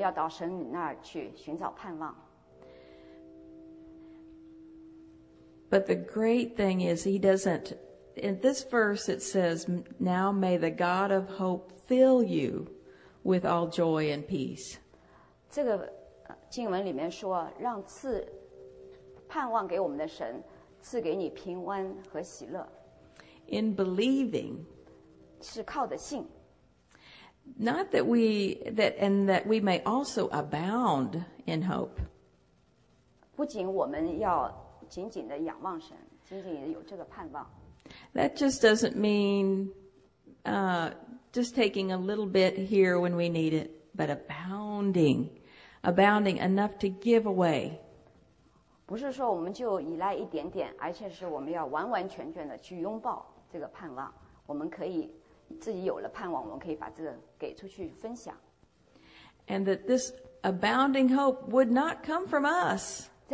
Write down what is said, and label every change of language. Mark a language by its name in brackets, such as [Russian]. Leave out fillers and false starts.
[Chinese] 但是很多时候我们要到神那儿去寻找盼望。 [English] But the great thing is He doesn't, in this verse it says, now may the God of hope fill you with all joy and peace. [Chinese] 这个经文里面说, 让赐盼望给我们的神, 赐给你平安和喜乐。 [English] In believing, [Chinese] 是靠的信。 [English] Not that we, that we may also abound in hope. [Chinese] 不仅我们要紧紧地仰望神, 紧紧地有这个盼望。 [English] That just doesn't mean just taking a little bit here when we need it, but abounding, abounding enough to give away. [Chinese] 不是说我们就依赖一点点, 而且是我们要完完全全地去拥抱这个盼望, 我们可以 自己有了盼望, [English] and that this abounding hope would not come from us.